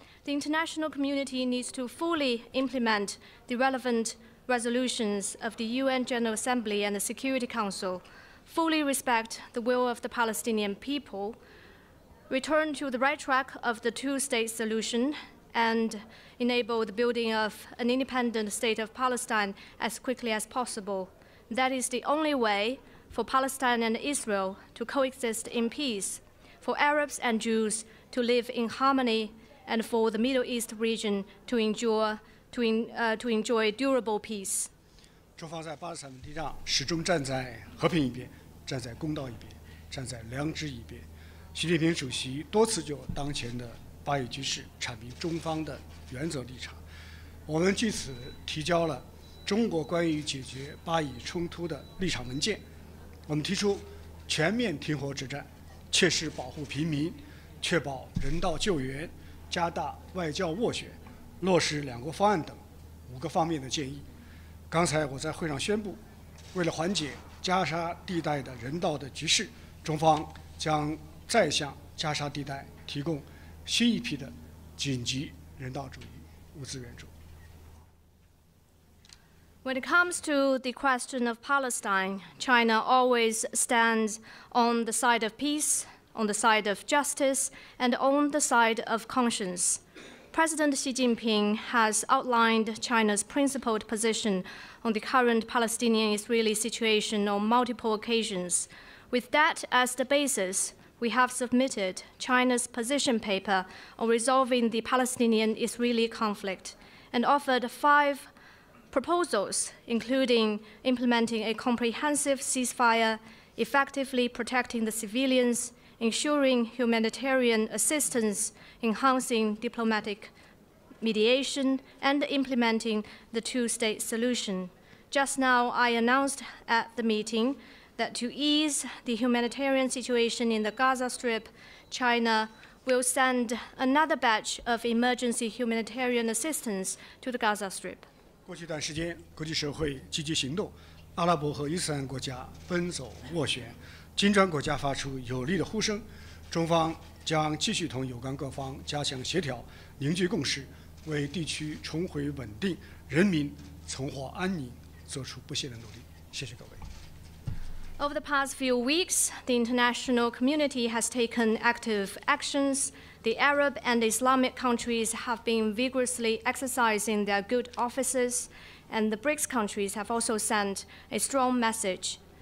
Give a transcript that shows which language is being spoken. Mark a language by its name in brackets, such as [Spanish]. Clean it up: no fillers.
[English] The international community needs to fully implement the relevant resolutions of the UN General Assembly and the Security Council, fully respect the will of the Palestinian people, return to the right track of the two-state solution, and enable the building of an independent state of Palestine as quickly as possible. That is the only way for Palestine and Israel to coexist in peace, for Arabs and Jews to live in harmony, and for the Middle East region to enjoy durable peace. [Chinese] 中方在巴勒斯坦问题上始终站在和平一边，站在公道一边，站在良知一边。习近平主席多次就当前的巴以局势阐明中方的原则立场。我们据此提交了中国关于解决巴以冲突的立场文件。我们提出全面停火止战，切实保护平民，确保人道救援，加大外交斡旋，落实两国方案等五个方面的建议。刚才我在会上宣布，为了缓解加沙地带的人道的局势，中方将再向加沙地带提供新一批的紧急人道主义物资援助。 [English] When it comes to the question of Palestine, China always stands on the side of peace, on the side of justice, and on the side of conscience. President Xi Jinping has outlined China's principled position on the current Palestinian-Israeli situation on multiple occasions. With that as the basis, we have submitted China's position paper on resolving the Palestinian-Israeli conflict and offered five proposals, including implementing a comprehensive ceasefire, effectively protecting the civilians, ensuring humanitarian assistance, enhancing diplomatic mediation, and implementing the two-state solution. Just now, I announced at the meeting that to ease the humanitarian situation in the Gaza Strip, China will send another batch of emergency humanitarian assistance to the Gaza Strip. [Chinese] 过去一段时间，国际社会积极行动，阿拉伯和伊斯兰国家奔走斡旋，金砖国家发出有力的呼声。中方将继续同有关各方加强协调，凝聚共识，为地区重回稳定、人民重获安宁做出不懈的努力。谢谢各位。 [English] Over the past few weeks, the international community has taken active actions. The Arab and Islamic countries have been vigorously exercising their good offices, and the BRICS countries have also sent a strong message.